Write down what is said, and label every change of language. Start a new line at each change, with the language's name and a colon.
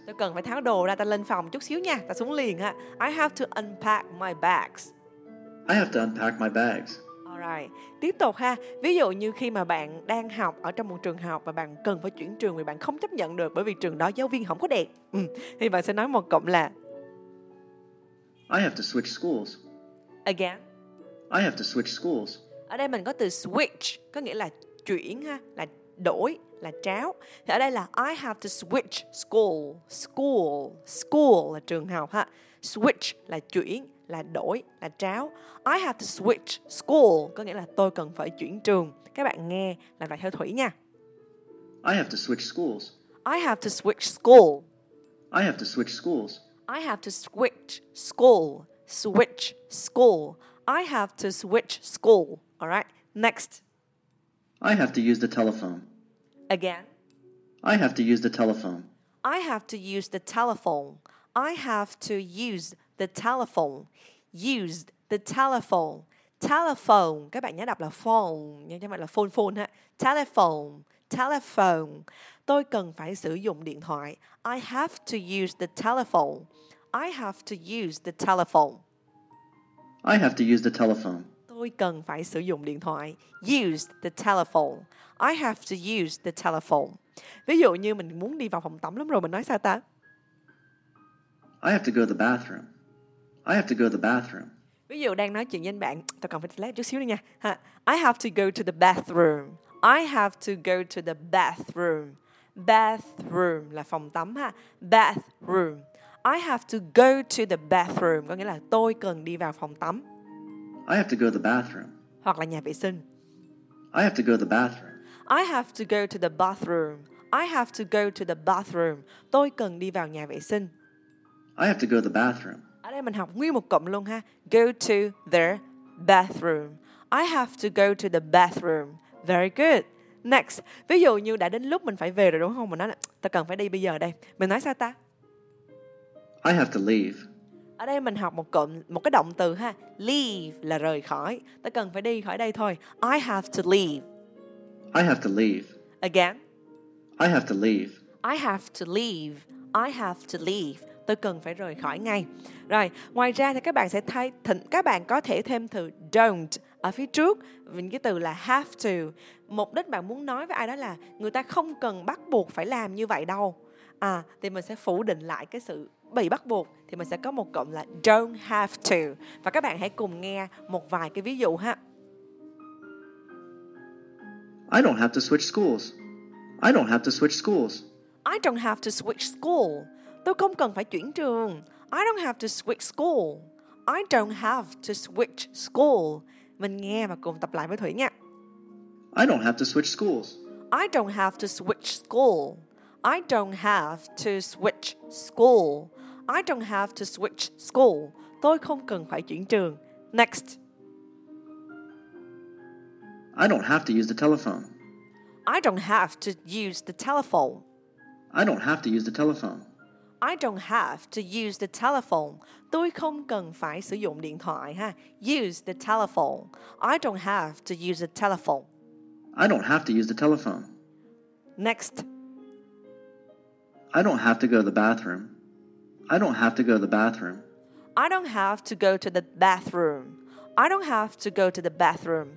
Vietnamese: Tôi cần phải tháo đồ ra, tao lên phòng chút xíu nha, tao xuống liền ha.
English: I have to unpack my bags. I have to unpack my bags.
Vietnamese: Alright, tiếp tục ha. Ví dụ như khi mà bạn đang học ở trong một trường học và bạn cần phải chuyển trường vì bạn không chấp nhận được bởi vì trường đó giáo viên không có đẹp. Thì bạn sẽ nói một cụm là
English: I have to switch schools. Again. I have to switch schools.
Vietnamese: Ở đây mình có từ switch, có nghĩa là chuyển ha, là đổi, là tráo. Thì ở đây là
English: I have to switch school. School.
Vietnamese: School là trường học ha. Switch là chuyển, là đổi, là tráo.
English: I have to switch school.
Vietnamese: Có nghĩa là tôi cần phải chuyển trường. Các bạn nghe là phải theo Thủy nha.
English: I have to switch schools. I have to switch school. I have to switch schools. I have to switch school. Switch school. I have to switch school. Alright, next. I have to use the telephone. Again. I have to use the telephone. I have to use the telephone. I have to use the telephone. Used the telephone. Telephone.
Vietnamese: Các bạn nhớ đọc là phone, nhớ chứ không phải là phone phone ha. Telephone. Telephone. Tôi cần phải sử dụng điện thoại.
English: I have to use the telephone. I have to use the telephone. I have to use the telephone.
Vietnamese: Tôi cần phải sử dụng điện thoại.
English: Used the telephone. I have to use the telephone.
Vietnamese: Ví dụ như mình muốn đi vào phòng tắm lắm rồi, mình nói sao ta?
English: I have to go to the bathroom. I have to go to the bathroom.
Vietnamese: Ví dụ đang nói chuyện với anh bạn, tôi cần phải toilet chút xíu nữa nha.
English: I have to go to the bathroom. I have to go to the bathroom.
Vietnamese: Bathroom là phòng tắm ha.
English: Bathroom. I have to go to the bathroom.
Vietnamese: Có nghĩa là tôi cần đi vào phòng tắm.
English: I have to go to the bathroom.
Vietnamese: Hoặc là nhà vệ sinh.
English: I have to go to the bathroom. I have to go to the bathroom. I have to go to the bathroom.
Vietnamese: Tôi cần đi vào nhà vệ sinh.
English: I have to go to the bathroom.
Vietnamese: Ở đây mình học nguyên một cụm luôn ha.
English: Go to the bathroom. I have to go to the bathroom. Very good. Next.
Vietnamese: Ví dụ như đã đến lúc mình phải về rồi đúng không? Mình nói là ta cần phải đi bây giờ đây. Mình nói sao ta?
English: I have to leave.
Vietnamese: Ở đây mình học một cụm, một cái động từ ha. Leave là rời khỏi. Ta cần phải đi khỏi đây thôi.
English: I have to leave. I have to leave. Again. I have to leave. I have to leave. I have to leave.
Vietnamese: Tôi cần phải rời khỏi ngay. Rồi, ngoài ra thì các bạn sẽ thay thỉnh, các bạn có thể thêm từ don't ở phía trước với cái từ là have to. Mục đích bạn muốn nói với ai đó là người ta không cần bắt buộc phải làm như vậy đâu. À, thì mình sẽ phủ định lại cái sự bị bắt buộc, thì mình sẽ có một cụm là don't have to. Và các bạn hãy cùng nghe một vài cái ví dụ ha.
English: I don't have to switch schools. I don't have to switch schools. I don't have to switch school.
Vietnamese: Tôi không cần phải chuyển trường.
English: I don't have to switch school. I don't have to switch school.
Vietnamese: Mình nghe và cùng tập lại với Thủy nha.
English: I don't have to switch schools. I don't have to switch school. I don't have to switch school. I don't have to switch school.
Vietnamese: Tôi không cần phải chuyển trường.
English: Next. I don't have to use the telephone. I don't have to use the telephone. I don't have to use the telephone. I don't have to use the telephone.
Vietnamese: Tôi không cần phải sử dụng điện thoại ha.
English: Use the telephone. I don't have to use the telephone. I don't have to use the telephone. Next. I don't have to go to the bathroom. I don't have to go to the bathroom. I don't have to go to the bathroom. I don't have to go to the bathroom.